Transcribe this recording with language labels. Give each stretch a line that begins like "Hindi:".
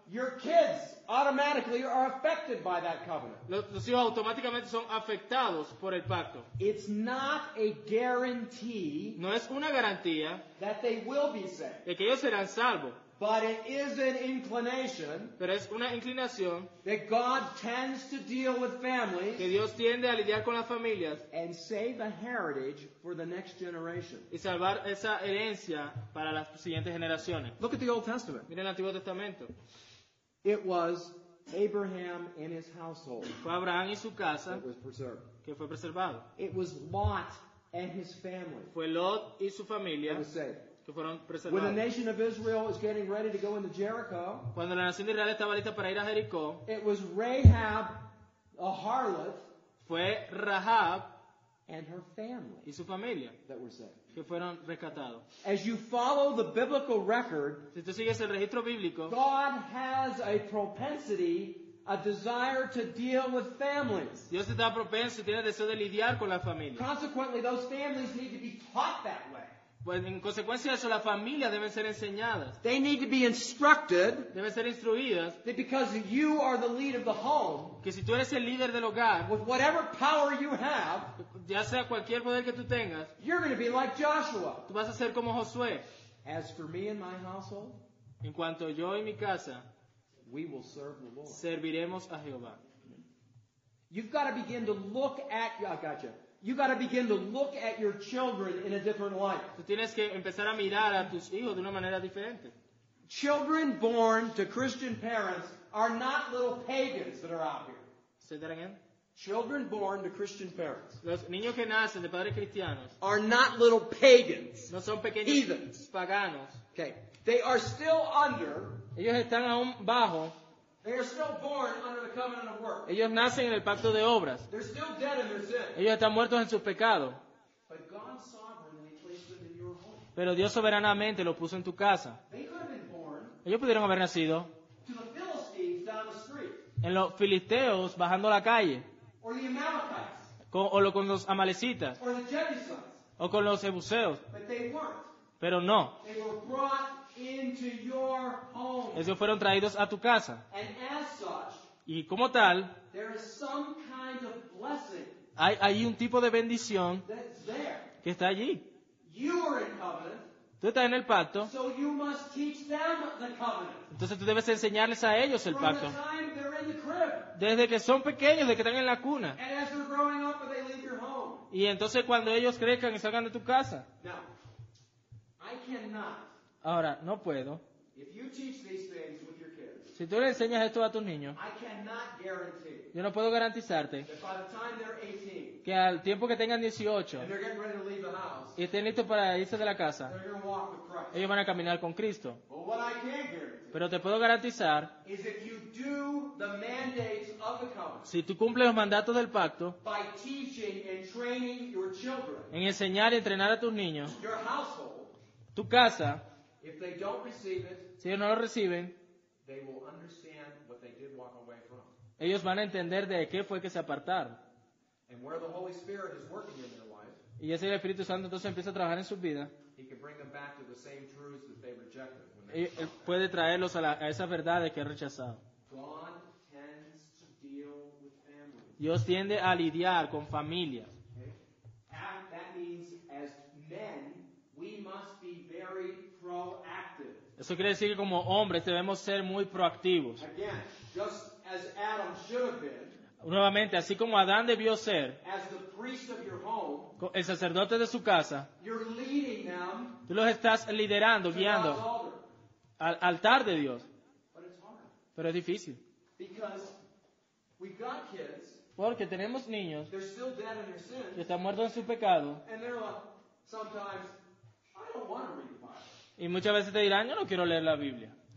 English: your kids automatically are affected by that covenant.
Spanish: Los hijos automáticamente son afectados por el pacto.
English: It's not a guarantee.
Spanish: No es una garantía.
English: That they will be saved.
Spanish: De que ellos serán salvos.
English: But it is an inclination,
Spanish: pero es una inclinación,
English: that God tends to deal with families,
Spanish: que Dios tiende a lidiar con las familias,
English: and save a heritage for the next generation,
Spanish: y salvar esa herencia para las siguientes generaciones.
English: Look at the Old Testament.
Spanish: Mira el Antiguo Testamento.
English: It was Abraham and his household.
Spanish: Fue Abraham y su casa.
English: That was preserved.
Spanish: Que fue preservado.
English: It was Lot and his family.
Spanish: Fue Lot y su familia.
English: That was saved.
Spanish: Que fueron preservados.
English: When the nation of Israel was getting ready to go into Jericho,
Spanish: cuando la nación de Israel estaba lista para ir a Jericó,
English: it was Rahab, a harlot,
Spanish: fue Rahab
English: and her family,
Spanish: y su familia,
English: that were saved,
Spanish: que fueron rescatados.
English: As you follow the biblical record,
Spanish: si tú sigues el registro bíblico,
English: God has a propensity, a desire to deal with families.
Spanish: Dios está propenso, tiene deseo de lidiar con las familias.
English: Consequently, those families need to be taught that way.
Spanish: Pues en consecuencia de eso, las familias deben ser enseñadas.
English: They need to be instructed.
Spanish: Deben ser instruidas.
English: That because you are the lead of the home.
Spanish: Que si tú eres el líder del hogar.
English: With whatever power you have.
Spanish: Ya sea cualquier poder que tú tengas.
English: You're going to be like Joshua.
Spanish: Tú vas a ser como Josué.
English: As for me and my household.
Spanish: En cuanto yo y mi casa.
English: We will serve the Lord.
Spanish: Serviremos a Jehová.
English: You've got to begin to look at. I got you. You got to begin to look at your children in a different light.
Spanish: Tú tienes que empezar a mirar a tus hijos de una manera diferente.
English: Children born to Christian parents are not little pagans that are out here. Say that again. Children born to Christian parents.
Spanish: Los niños que nacen de padres cristianos
English: are not little pagans.
Spanish: No son pequeños
English: heathens.
Spanish: Paganos.
English: Okay. They are still under.
Spanish: Ellos están aún bajo.
English: They are still born under the covenant of work.
Spanish: Ellos nacen en el pacto de obras.
English: They're still dead in their sin.
Spanish: Ellos están muertos en sus pecados.
English: But God sovereignly placed them in your home.
Spanish: Pero Dios soberanamente los puso en tu casa.
English: They could have been born.
Spanish: Ellos pudieron haber nacido
English: to the Philistines down the street.
Spanish: En los filisteos bajando la calle.
English: Or the Amalekites.
Spanish: Con los amalecitas.
English: Or the Jebusites.
Spanish: O con los jebuseos.
English: But they weren't.
Spanish: Pero no.
English: They were brought into your home.
Spanish: Ellos fueron traídos a tu casa.
English: And as such,
Spanish: y como tal,
English: there is some kind of blessing.
Spanish: Hay un tipo de bendición
English: there.
Spanish: Que está allí.
English: You are in covenant.
Spanish: Tú estás en el pacto.
English: So you must teach them the covenant.
Spanish: Entonces tú debes enseñarles a ellos el
English: from
Spanish: pacto.
English: The time they're in the crib.
Spanish: Desde que son pequeños, desde que están en la cuna.
English: And as they're growing up, they leave your home.
Spanish: Y entonces cuando ellos crezcan y salgan de tu casa.
English: Now, I cannot.
Spanish: Ahora, no puedo.
English: If you teach these things with your kids,
Spanish: si tú le enseñas esto a tus niños,
English: I cannot guarantee,
Spanish: yo no puedo garantizarte
English: that by the time they're 18,
Spanish: que al tiempo que tengan 18
English: and they're getting ready to leave the house,
Spanish: y estén listos para irse de la casa,
English: they're going to walk with Christ.
Spanish: Ellos van a caminar con Cristo.
English: But what I can guarantee,
Spanish: pero te puedo garantizar
English: is if you do the mandates of the covenant,
Spanish: si tú cumples los mandatos del pacto
English: by teaching and training your children,
Spanish: en enseñar y entrenar a tus niños
English: your household,
Spanish: tu casa.
English: If they don't receive it,
Spanish: si ellos no lo reciben,
English: they will understand what they did walk away from.
Spanish: Ellos van a entender de qué fue que se apartaron.
English: And where the Holy Spirit is working in their life,
Spanish: y ese es el Espíritu Santo entonces empieza a trabajar en sus vidas.
English: He can bring them back to the same truths that they rejected when they were shocked.
Spanish: Puede traerlos a esas verdades que han rechazado.
English: God tends to deal with families.
Spanish: Dios tiende a lidiar con familias.
English: Okay. That means as men, we must be very proactive.
Spanish: Eso quiere decir que como hombres debemos ser muy proactivos.
English: Again, just as Adam should have been,
Spanish: nuevamente, así como Adán debió ser,
English: as the priest of your home,
Spanish: el sacerdote de su casa,
English: you're leading them,
Spanish: tú los estás liderando, guiando al altar de Dios.
English: But it's hard.
Spanish: Pero es difícil.
English: Because we've got kids,
Spanish: porque tenemos niños,
English: they're still dead in their sins,
Spanish: que están muertos en su pecado,
English: and they're like, sometimes, I don't want to read the Bible.
Spanish: Y muchas veces te dirán, yo no quiero leer la Biblia.